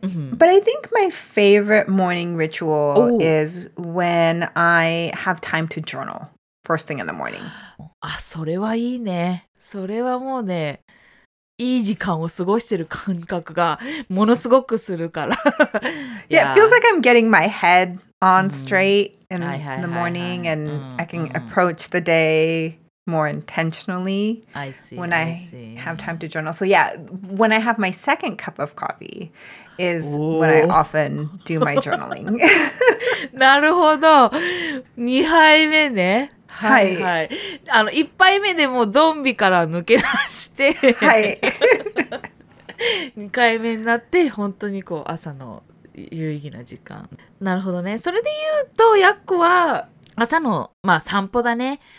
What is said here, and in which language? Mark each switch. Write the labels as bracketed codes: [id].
[en] But I think my favorite morning ritual is when I have time to journal. first thing in the morning. [ja] あ、それはいいね。それはもうね、いい時間を過ごしてる感覚がものすごくするから。 [en] Yeah, it feels like I'm getting my head on straight in the morning and I can approach the day more intentionally when I have time to journal. So yeah, when I have my second cup of coffee is when I often do my journaling. [ja] なるほど。2杯目ね。はい、はい、あの1杯目でもうゾンビから抜け出して、はい、 2回目になって本当にこう朝の有意義な時間。なるほどね。それで言うとやっこは朝のまあ散歩だね。